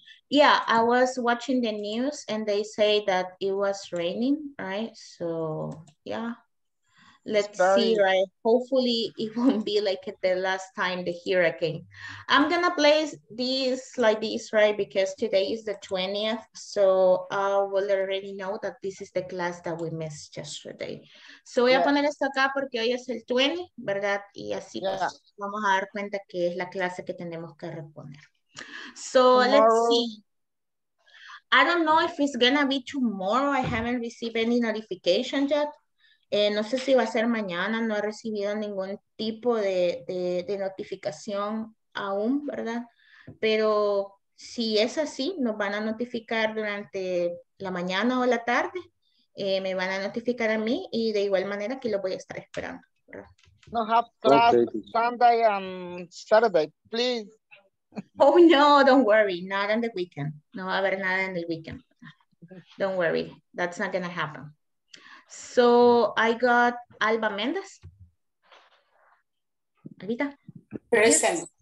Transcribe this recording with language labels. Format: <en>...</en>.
<en>Yeah, I was watching the news and they say that it was raining, right? So, yeah. Let's see, right? Hopefully it won't be like the last time the hurricane. I'm gonna place these like this, right? Because today is the 20th. So I will already know that this is the class that we missed yesterday.</en> <es>So voy a poner esto acá porque hoy es el 20, ¿verdad? Y así vamos a dar cuenta que es la clase que tenemos que reponer.</es> <en>So let's see. I don't know if it's gonna be tomorrow. I haven't received any notification yet.</en> <es>No sé si va a ser mañana, no he recibido ningún tipo de notificación aún, ¿verdad? Pero si es así, nos van a notificar durante la mañana o la tarde. Me van a notificar a mí y de igual manera aquí lo voy a estar esperando, ¿verdad?</es> <en>No have class Sunday and Saturday, please. Oh no, don't worry, not on the weekend.</en> <es>No va a haber nada en el weekend.</es> <en>Don't worry, that's not gonna happen. So I got Alba Mendez. Alvita. Present.</en>